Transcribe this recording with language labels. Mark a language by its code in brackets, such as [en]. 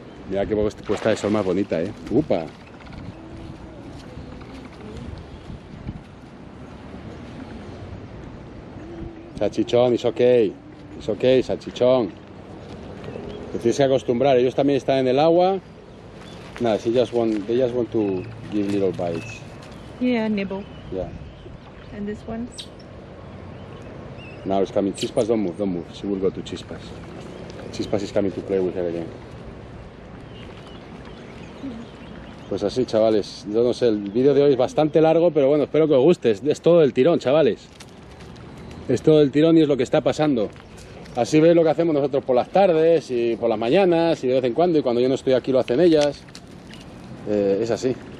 [es] Mira qué puesta de sol más bonita, ¿eh? ¡Upa! Salchichón, [en] it's okay, [es] salchichón. Te tienes que acostumbrar, ellos también están en el agua. Nada, no, [en] they just want to give little bites. Yeah, nibble. Yeah. And this one? Now it's coming. Chispas, don't move. She will go to Chispas. Chispas is coming to play with her again. [es] Pues así, chavales. Yo no sé, el vídeo de hoy es bastante largo, pero bueno, espero que os guste. Es todo el tirón, chavales. Es todo el tirón y es lo que está pasando. Así veis lo que hacemos nosotros por las tardes y por las mañanas y de vez en cuando. Y cuando yo no estoy aquí lo hacen ellas. Es así.